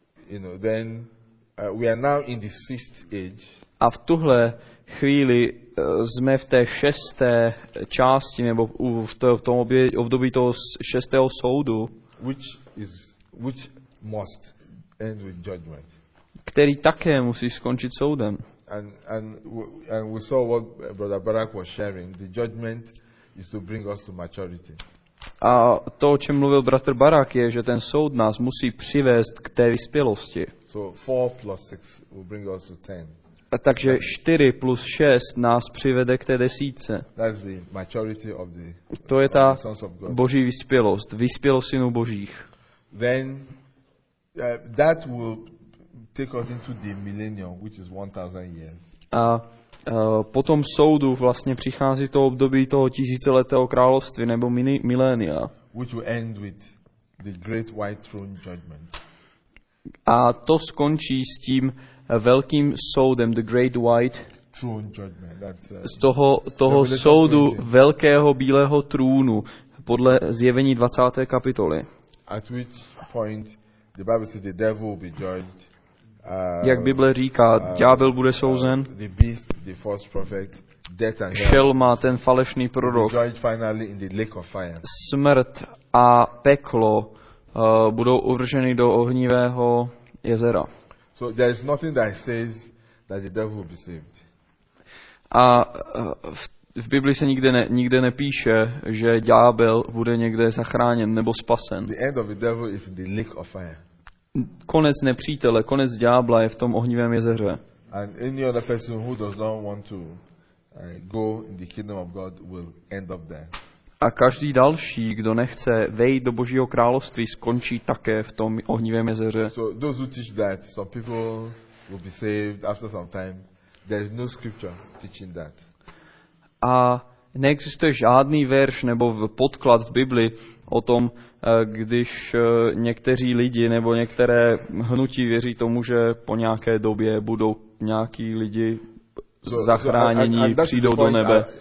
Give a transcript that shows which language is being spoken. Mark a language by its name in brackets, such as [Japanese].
[English] You know, then we are now in the sixth age. [Czech] A v tuhle chvíli jsme v té šesté části, nebo v období toho šestého soudu. [English] Which must end with judgment. [Czech] Který také musí skončit soudem. [English] And we saw what Brother Barak was sharing. The judgment is to bring us to maturity. [Czech] A to, o čem mluvil bratr Barak, je, že ten soud nás musí přivést k té vyspělosti. [English] So 4 plus 6 will bring us to 10. [Czech] A takže 4 plus 6 nás přivede k té desítce. [English] That's the maturity of the. [Czech] To je ta boží vyspělost, vyspělost synů božích. [English] Then that will take us into the millennium, which is 1000 years. [Czech] A po tom soudu vlastně přichází to období toho tisíciletého království nebo milénia. [English] Which will end with the great white throne judgment. [Czech] A to skončí s tím velkým soudem, [English] the great white throne judgment. [Czech] Z toho soudu velkého bílého trůnu podle zjevení 20. kapitoly. [English] At which point the Bible says the devil will be judged. [Czech] Jak Bible říká, ďábel bude souzen. [English] The beast, the false prophet, death and hell. [Czech] Šelma, ten falešný prorok. [English] Judged finally in the lake of fire. [Czech] Smrt a peklo budou uvrženy do ohnivého jezera. [English] So there is nothing that says that the devil will be saved. [Czech] A v Biblii se nikde nepíše, že ďábel bude někde zachráněn nebo spasen. [English] The end of the devil is the lake of fire. [Czech] Konec nepřítele, konec ďábla je v tom ohnivém jezeře. [English] And any other person who does not want to go in the kingdom of God will end up there. [Czech] A každý další, kdo nechce vejít do Božího království, skončí také v tom ohnivém jezeře. [English] So those who teach that some people will be saved after some time, There is no scripture teaching that. [Czech] A neexistuje žádný verš nebo podklad v Biblii o tom, když někteří lidi nebo některé hnutí věří tomu, že po nějaké době budou nějaký lidi zachráněni, přijdou do nebe.